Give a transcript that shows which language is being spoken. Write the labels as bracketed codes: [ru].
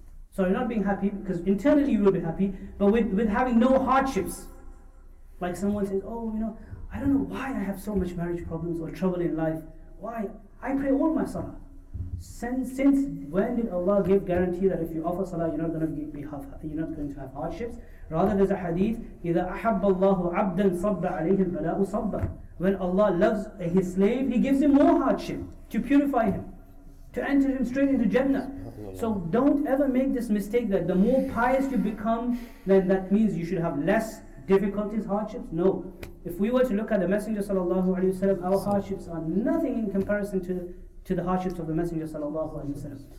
[en] Sorry, not being happy, because internally you will be happy, but with having no hardships. Like someone says, oh, you know, I don't know why I have so much marriage problems or trouble in life. Why? I pray all my salah. Since when did Allah give guarantee that if you offer salah, you're not going to have hardships? Rather, there's a hadith: [ar] إِذَا أَحَبَّ اللَّهُ عَبْدًا صَبَّ عَلَيْهِ الْبَلَاءُ صَبَّ. [en] When Allah loves His slave, He gives him more hardship to purify him, to enter him straight into Jannah. So don't ever make this mistake that the more pious you become, then that means you should have less difficulties, hardships. No. If we were to look at the Messenger sallallahu alaihi wasallam, our hardships are nothing in comparison to the hardships of the Messenger sallallahu alaihi wasallam.